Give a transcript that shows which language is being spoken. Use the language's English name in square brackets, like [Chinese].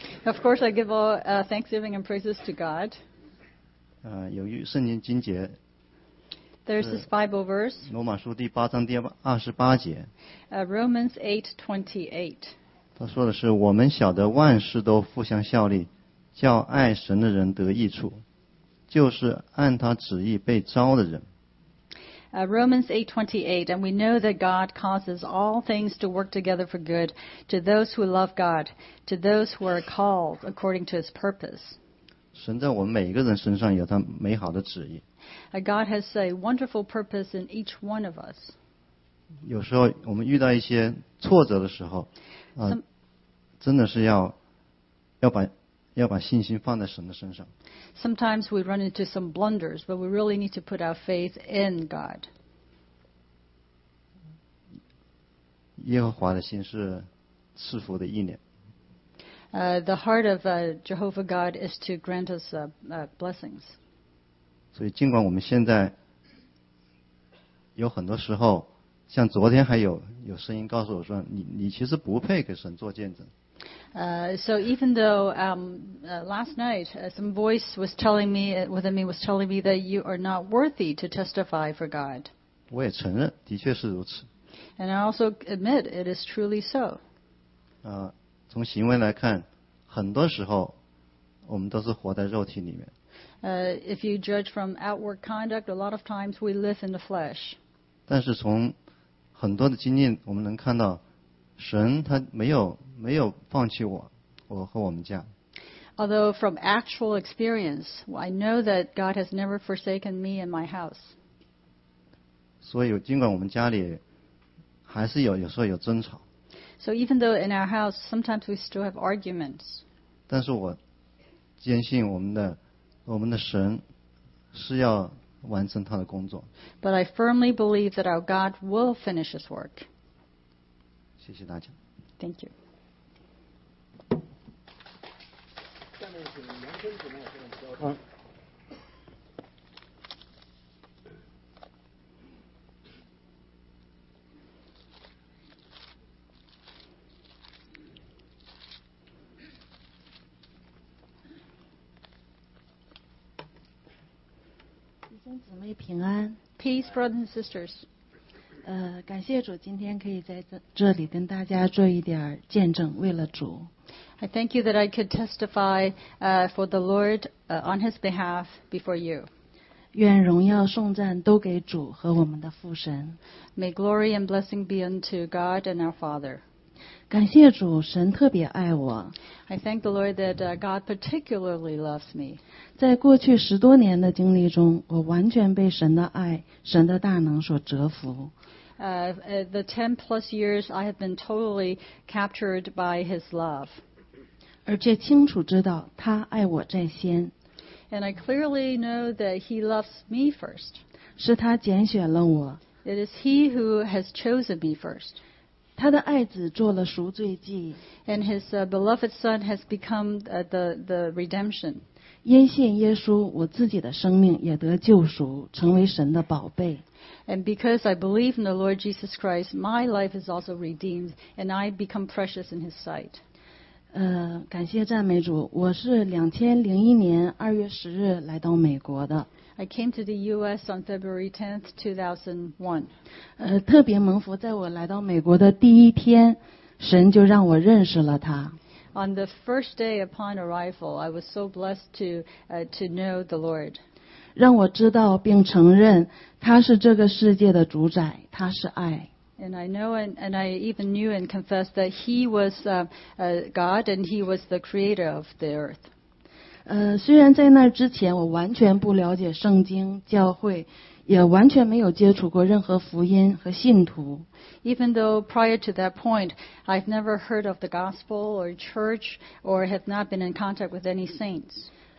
[English] Of course, I give all thanksgiving and praises to God. [Chinese] 有一圣经经节。 [English] There's this Bible verse. [Chinese] 罗马书第八章第28节。 [English] Romans 8:28. [Chinese] 他说的是，我们晓得万事都互相效力，叫爱神的人得益处。就是按他旨意被招的人。 [English] Romans 8:28, and we know that God causes all things to work together for good to those who love God, to those who are called according to His purpose. [Chinese] 神在我们每一个人身上有他美好的旨意。 [English] God has a wonderful purpose in each one of us. [Chinese] 有时候我们遇到一些挫折的时候，真的是要把信心放在神的身上。 [English] Sometimes we run into some blunders, but we really need to put our faith in God. [Chinese] 耶和华的心是赐福的意念。 [English] The heart of Jehovah God is to grant us blessings. [Chinese] 所以尽管我们现在有很多时候，像昨天还有声音告诉我说，你其实不配给神做见证。 [English] So even though last night some voice was telling me within me was telling me that you are not worthy to testify for God. [Chinese] 我也承认，的确是如此。 [English] And I also admit it is truly so. [Chinese] 从行为来看，很多时候我们都是活在肉体里面。 [English] If you judge from outward conduct, a lot of times we live in the flesh. [Chinese] 但是从很多的经验，我们能看到神他没有放弃我和我们家。 [English] Although from actual experience, I know that God has never forsaken me and my house. [Chinese] 所以尽管我们家里还是有时候有争吵。 [English] So even though in our house, sometimes we still have arguments. [Chinese] 但是我坚信我们的神是要完成他的工作。 [English] But I firmly believe that our God will finish his work. [Chinese] 谢谢大家。 [English] Thank you. [Chinese] 弟兄姊妹平安。 [English] Peace, brothers and sisters. [Chinese] 感谢主今天可以在这里跟大家做一点见证为了主。 [English] I thank you that I could testify for the Lord on his behalf before you. [Chinese] 愿荣耀颂赞都给主和我们的父神。 [English] May glory and blessing be unto God and our Father. [Chinese] 感谢主神特别爱我。 [English] I thank the Lord that God particularly loves me. [Chinese] 在过去十多年的经历中我完全被神的爱神的大能所折服。 [English] The 10 plus years I have been totally captured by his love. [Chinese] 而且清楚知道他爱我在先。 [English] And I clearly know that he loves me first. [Chinese] 是他拣选了我。 [English] It is he who has chosen me first. [Chinese] 他的爱子做了赎罪祭。 [English] And his beloved son has become the redemption. [Chinese] 因信耶稣我自己的生命也得救赎成为神的宝贝。 [English] And because I believe in the Lord Jesus Christ, my life is also redeemed, and I become precious in his sight. [Chinese] 感谢赞美主，我是2001年2月10日来到美国的。 [English] I came to the U.S. on February 10th, 2001. [Chinese] 特别蒙福，在我来到美国的第一天，神就让我认识了他。 [English] On the first day upon arrival, I was so blessed to know the Lord. [Chinese] 让我知道并承认他是这个世界的主宰他是爱 [English] and I know and I even knew and confessed that he was God and he was the creator of the earth [Chinese] 虽然在那之前我完全不了解圣经教会也完全没有接触过任何福音和信徒 [English] even though prior to that point I've never heard of the gospel or church or have not been in contact with any saints